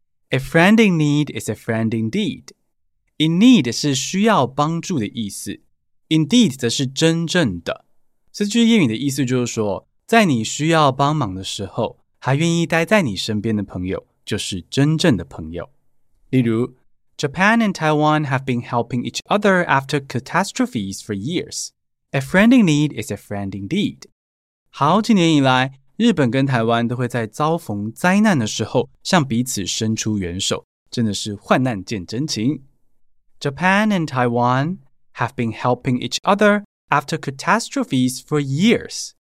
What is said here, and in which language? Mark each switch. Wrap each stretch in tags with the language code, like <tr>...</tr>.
<en>A friend in need is a friend indeed. In need</en> <zh>是需要帮助的意思，</zh> <en>Indeed</en> <zh>则是真正的。这句谚语的意思就是说，在你需要帮忙的时候，还愿意待在你身边的朋友就是真正的朋友。例如</zh> <en>Japan and Taiwan have been helping each other after catastrophes for years. A friend in need is a friend indeed.</en> <zh>好几年以来，日本跟台湾都会在遭逢灾难的时候向彼此伸出援手，真的是患难见真情。</zh> <en>Japan and Taiwanhave been helping each other after catastrophes for years.</en>